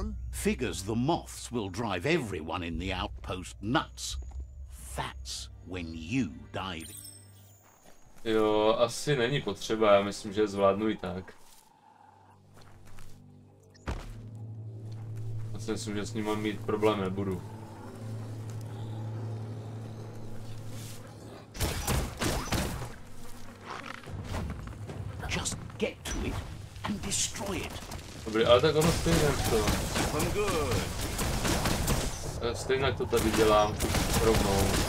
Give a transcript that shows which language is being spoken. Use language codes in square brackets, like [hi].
[en] Figures the moths will drive everyone in the outpost nuts. That's when you die. [cs] Jo, asi není potřeba, já myslím, že zvládnu i tak. Asi myslím, že s ním mít problém nebudu. [en] Just get to it and destroy it. [cs] Dobrý, ale tak ono stejně to. [en] I'm good. [cs] Stejně to tady dělám rovnou.